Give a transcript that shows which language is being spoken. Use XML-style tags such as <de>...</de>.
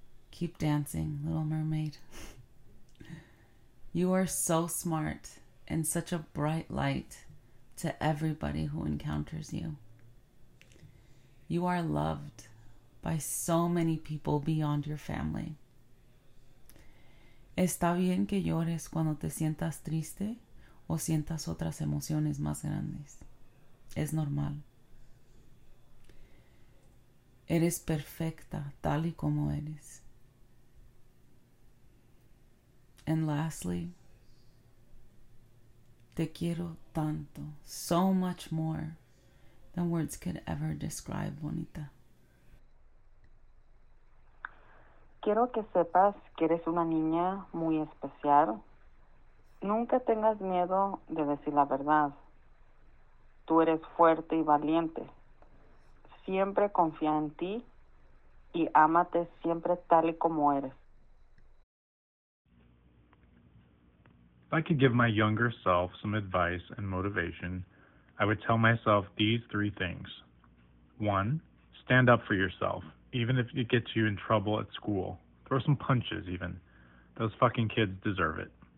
<en>Keep dancing, Little Mermaid. You are so smart and such a bright light to everybody who encounters you. You are loved by so many people beyond your family.</en> <es>Está bien que llores cuando te sientas triste o sientas otras emociones más grandes. Es normal. Eres perfecta tal y como eres.</es> <en>And lastly,</en> <es>te quiero tanto,</es> <en>so much more than words could ever describe, Bonita.</en> <es>Quiero que sepas que eres una niña muy especial. Nunca tengas miedo de decir la verdad. Tú eres fuerte y valiente. Siempre confía en ti y ámate siempre tal y como eres.</es> <en>If I could give my younger self some advice and motivation, I would tell myself these three things. One, stand up for yourself, even if it gets you in trouble at school. Throw some punches, even. Those fucking kids deserve it.</en>